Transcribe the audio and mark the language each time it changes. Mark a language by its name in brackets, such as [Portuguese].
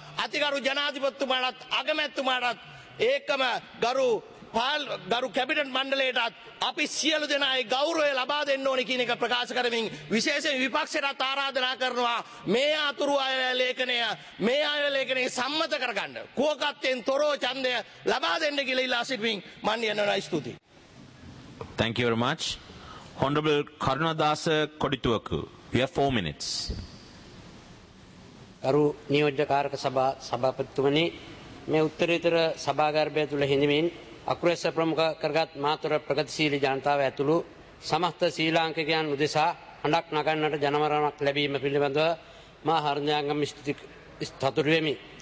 [Sinhala] අතිගරු ජනාධිපතිතුමාටත් අගමැතිතුමාටත් ඒකම ගරු කැබිනට් මණ්ඩලයටත් අපි සියලු දෙනා ඒ ගෞරවය ලබා දෙන්න ඕනේ කියන එක ප්‍රකාශ කරමින් විශේෂයෙන් විපක්ෂයටත් ආරාධනා කරනවා මේ අතුරු අයවැලේඛනය මේ අයවැලේඛනය සම්මත කරගන්න කුවකත්තෙන් තොරව ඡන්දය ලබා දෙන්න කියලා ඉල්ලා සිටමින් මම කියනවා ස්තුතියි. [English] Thank you very much. Honorable Karunadasa Kodituwaku, you have 4 minutes. [Sinhala] ගරු නියෝජ්‍ය කාරක සභා සභාපතිතුමනි මේ උත්තරීතර සභාගර්භය තුළ හිඳමින් අකුරැස්ස ප්‍රමුඛ කරගත් මාතර ප්‍රගතිශීලී ජනතාව ඇතුළු සමස්ත ශ්‍රී ලාංකිකයන් උදෙසා හඬක් නගන්නට ජනමරණක් ලැබීම පිළිබඳව මා හර්ණ්‍යාංගම ස්තුති සතුටු වෙමි.